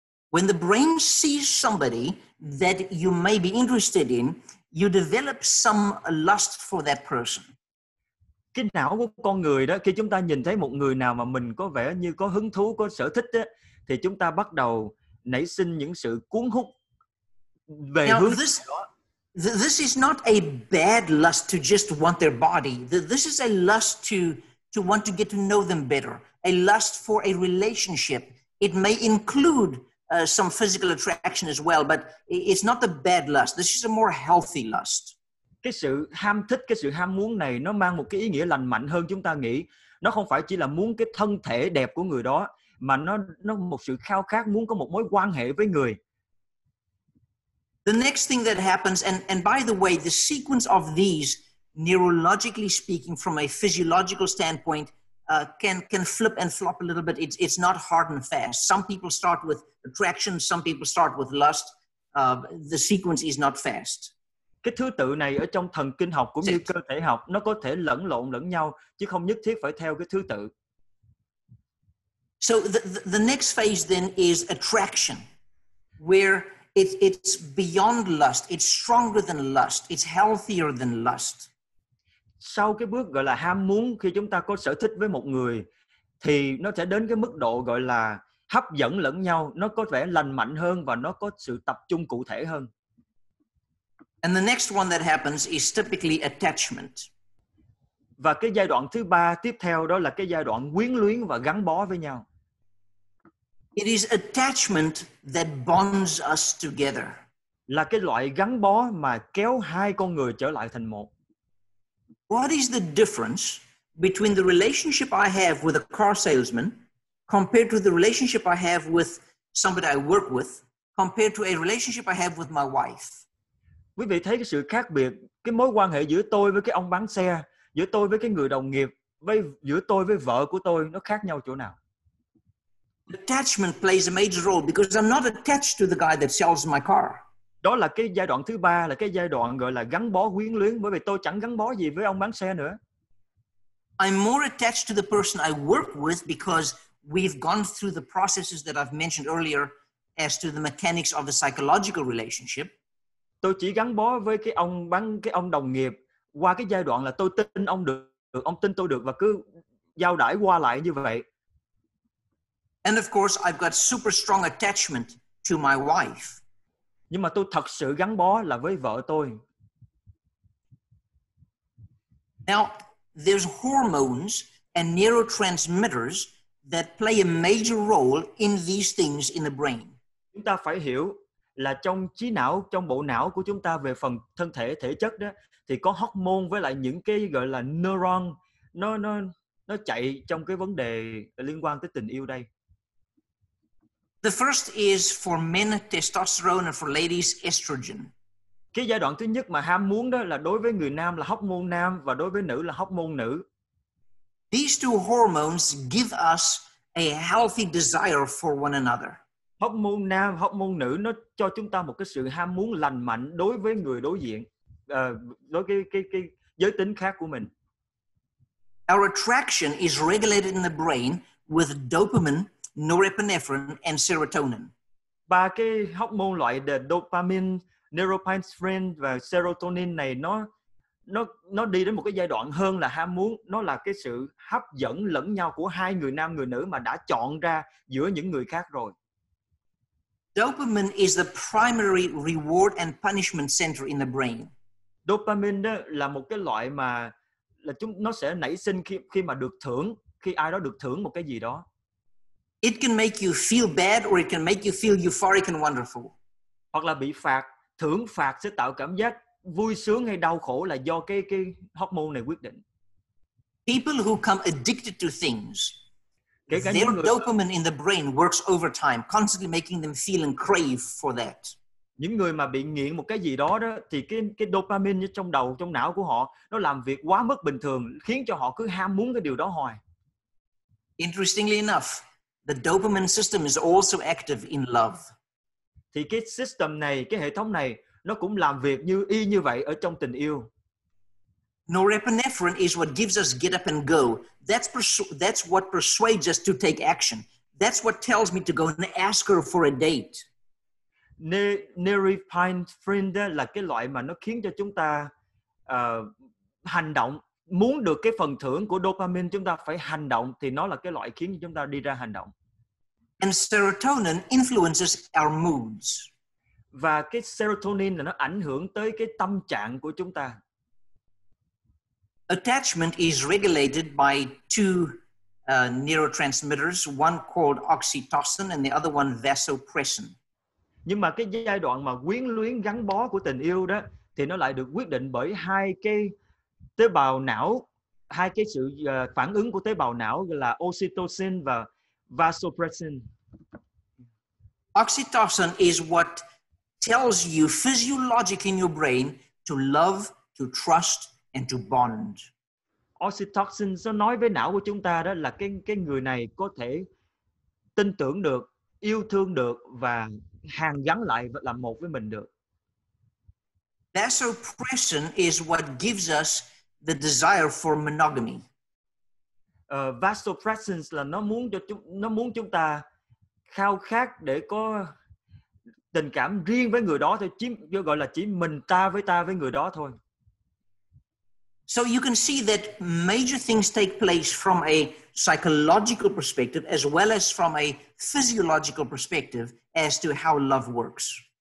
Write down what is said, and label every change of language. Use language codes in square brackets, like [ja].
[en] when the brain sees somebody that you may be interested in, you develop some lust for that person. [vi] Cái não của con người đó, khi chúng ta nhìn thấy một người nào mà mình có vẻ như có hứng thú, có sở thích đó, thì chúng ta bắt đầu nảy sinh những sự cuốn hút về [en] now, [vi] hướng [en] this, this is not a bad lust to just want their body. This is a lust to want to get to know them better. A lust for a relationship. It may include some physical attraction as well, but it's not a bad lust. This is a more healthy lust. [vi] Cái sự ham thích, cái sự ham muốn này nó mang một cái ý nghĩa lành mạnh hơn chúng ta nghĩ. Nó không phải chỉ là muốn cái thân thể đẹp của người đó, mà nó một sự khao khát muốn có một mối quan hệ với người. [en] The next thing that happens, and by the way, the sequence of these, neurologically speaking, from a physiological standpoint, can flip and flop a little bit. It's not hard and fast. Some people start with attraction. Some people start with lust. The sequence is not fast. [vi] Cái thứ tự này ở trong thần kinh học cũng như cơ thể học, nó có thể lẫn lộn lẫn nhau, chứ không nhất thiết phải theo cái thứ tự. [en] So the next phase then is attraction, where it's beyond lust, it's stronger than lust, it's healthier than lust. [vi] Sau cái bước gọi là ham muốn, khi chúng ta có sở thích với một người, thì nó sẽ đến cái mức độ gọi là hấp dẫn lẫn nhau, nó có vẻ lành mạnh hơn và nó có sự tập trung cụ thể hơn. [en] And the next one that happens is typically attachment. [vi] Và cái giai đoạn thứ ba tiếp theo đó là cái giai đoạn quyến luyến và gắn bó với nhau. [en] It is attachment that bonds us together. [vi] Là cái loại gắn bó mà kéo hai con người trở lại thành một. [en] What is the difference between the relationship I have with a car salesman compared to the relationship I have with somebody I work with compared to a relationship I have with my wife? [vi] Quý vị thấy cái sự khác biệt, cái mối quan hệ giữa tôi với cái ông bán xe, giữa tôi với cái người đồng nghiệp, với giữa tôi với vợ của tôi, nó khác nhau chỗ nào? [en] Attachment plays a major role because I'm not attached to the guy that sells my car. [vi] Đó là cái giai đoạn thứ ba, là cái giai đoạn gọi là gắn bó quyến luyến, bởi vì tôi chẳng gắn bó gì với ông bán xe nữa. [en] I'm more attached to the person I work with because we've gone through the processes that I've mentioned earlier as to the mechanics of the psychological relationship. [vi] Tôi chỉ gắn bó với cái ông bán, cái ông đồng nghiệp qua cái giai đoạn là tôi tin ông được, ông tin tôi được và cứ giao đãi qua lại như vậy. [en] And of course I've got super strong attachment to my wife. [vi] Nhưng mà tôi thật sự gắn bó là với vợ tôi. [en] Now there's hormones and neurotransmitters that play a major role in these things in the brain. [vi] Chúng ta phải hiểu là trong trí não, trong bộ não của chúng ta về phần thân thể, thể chất đó, thì có hormone với lại những cái gọi là neuron, nó chạy trong cái vấn đề liên quan tới tình yêu đây. [en] The first is for men testosterone and for ladies estrogen. [vi] Cái giai đoạn thứ nhất mà ham muốn đó là đối với người nam là hormone nam và đối với nữ là hormone nữ. [en] These two hormones give us a healthy desire for one another. [vi] Hormone nam, hormone nữ nó cho chúng ta một cái sự ham muốn lành mạnh đối với người đối diện, đối với cái giới tính khác của mình. [en] Our attraction is regulated in the brain with dopamine, norepinephrine and serotonin. [vi] Ba cái hormone loại là dopamine, norepinephrine và serotonin này nó đi đến một cái giai đoạn hơn là ham muốn, nó là cái sự hấp dẫn lẫn nhau của hai người nam người nữ mà đã chọn ra giữa những người khác rồi. [en] Dopamine is the primary reward and punishment center in the brain. [vi] Dopamine đó là một cái loại mà là chúng nó sẽ nảy sinh khi mà được thưởng, khi ai đó được thưởng một cái gì đó. [en] It can make you feel bad or it can make you feel euphoric and wonderful. [vi] Hoặc là bị phạt, thưởng phạt sẽ tạo cảm giác vui sướng hay đau khổ là do cái hormone này quyết định. [en] People who come addicted to things, their dopamine in the brain works overtime, constantly making them feel and crave for that. [vi] Những người mà bị nghiện một cái gì đó đó thì cái dopamine trong đầu, trong não của họ nó làm việc quá mức bình thường, khiến cho họ cứ ham muốn cái điều đó hoài. [en] Interestingly enough, the dopamine system is also active in love. [vi] Thì cái system này, cái hệ thống này nó cũng làm việc như y như vậy ở trong tình yêu. [en] Norepinephrine is what gives us get up and go. That's what persuades us to take action. That's what tells me to go and ask her for a date. [vi] Norepinephrine là cái loại mà nó khiến cho chúng ta hành động. Muốn được cái phần thưởng của dopamine, chúng ta phải hành động, thì nó là cái loại khiến chúng ta đi ra hành động. [en] And serotonin influences our moods. [vi] Và cái serotonin là nó ảnh hưởng tới cái tâm trạng của chúng ta. [en] Attachment is regulated by two neurotransmitters, one called oxytocin and the other one vasopressin. [vi] Nhưng mà cái giai đoạn mà quyến luyến gắn bó của tình yêu đó thì nó lại được quyết định bởi hai cái tế bào não, hai cái sự phản ứng của tế bào não là oxytocin và vasopressin. [en] Oxytocin is what tells you physiologically in your brain to love, to trust, and to bond. [vi] Oxytocin nó nói với não của chúng ta đó là cái người này có thể tin tưởng được, yêu thương được và hàn gắn lại và làm một với mình được. [en] Vasopressin is what gives us the desire for monogamy. [vi] Vasopressin là nó muốn chúng ta khao khát để có tình cảm riêng với người đó thôi, chỉ mình ta với người đó thôi. [en] So you can see that major things take place from a psychological perspective as well as from a physiological perspective as to how love works.